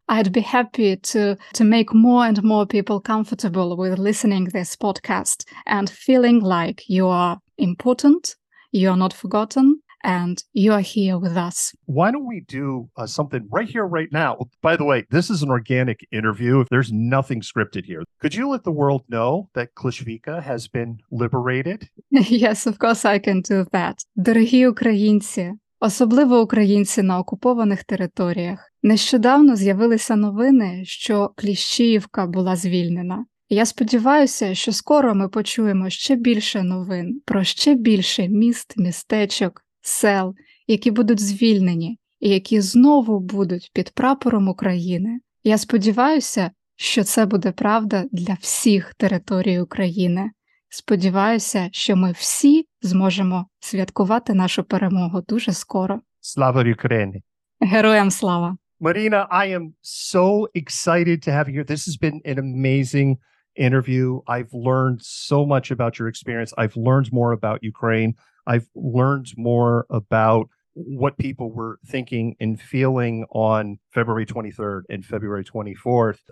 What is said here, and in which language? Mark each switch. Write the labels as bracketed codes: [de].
[en] I'd be happy to make more and more people comfortable with listening this podcast and feeling like you are important, you are not forgotten, and you are here with us. Why don't we do something right here, right now? By the way, this is an organic interview. There's nothing scripted here. Could you let the world know that Klishvika has been liberated? Yes, of course I can do that. [uk] Дорогі українці, особливо українці на окупованих територіях, нещодавно з'явилися новини, що Кліщівка була звільнена. Я сподіваюся, що скоро ми почуємо ще більше новин про ще більше міст, містечок, сел, які будуть звільнені і які знову будуть під прапором України. Я сподіваюся, що це буде правда для всіх територій України. Сподіваюся, що ми всі зможемо святкувати нашу перемогу дуже скоро. Слава Україні! Героям слава! [en] Марина, I am so excited to have you here. This has been an amazing interview. I've learned so much about your experience. I've learned more about Ukraine. I've learned more about what people were thinking and feeling on February 23rd and February 24th.